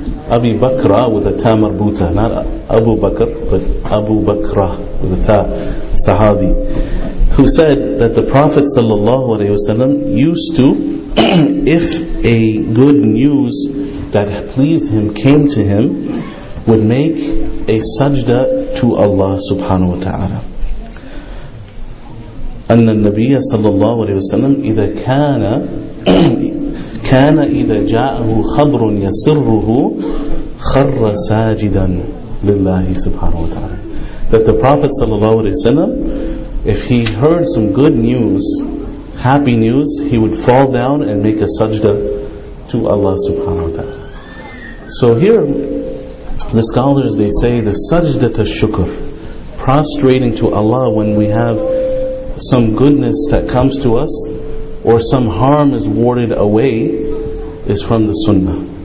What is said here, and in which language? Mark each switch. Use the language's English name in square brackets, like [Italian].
[English] Abi Bakr with a ta marbuta, not Abu Bakr, but Abu Bakr with a ta, sahabi, who said that the Prophet [Arabic] sallallahu alaihi wasallam [English] used to, if a good news that pleased him came to him, would make a sajda to Allah [Arabic] subhanahu wa ta'ala. أن النبي صلى الله عليه وسلم إذا كان كان إذا جاءه خبر يسره خر ساجدا لله سبحانه وتعالى. [English] That the Prophet [Arabic] صلى الله عليه وسلم, [English] if he heard some good news, happy news, he would fall down and make a sajda to Allah [Arabic] سبحانه وتعالى. [English] So here, the scholars, they say the sajda to shukr, prostrating to Allah when we have some goodness that comes to us or some harm is warded away, is from the sunnah.